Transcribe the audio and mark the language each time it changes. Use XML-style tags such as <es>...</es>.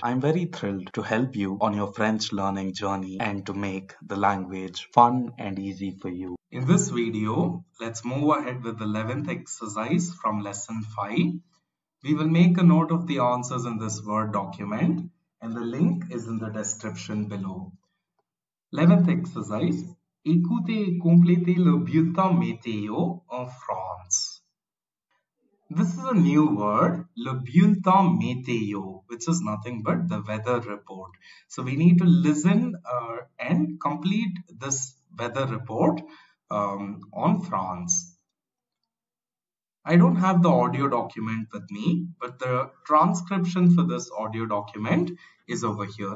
<en>I'm very thrilled to help you on your French learning journey and to make the language fun and easy for you. In this video, let's move ahead with the 11th exercise from Lesson 5. We will make a note of the answers in this Word document and the link is in the description below. 11th exercise.</en> <fr>Écoutez et complétez le bulletin météo en France.</fr> <en>This is a new word, le bulletin météo, which is nothing but the weather report. So we need to listen and complete this weather report on France. I don't have the audio document with me, but the transcription for this audio document is over here.</en>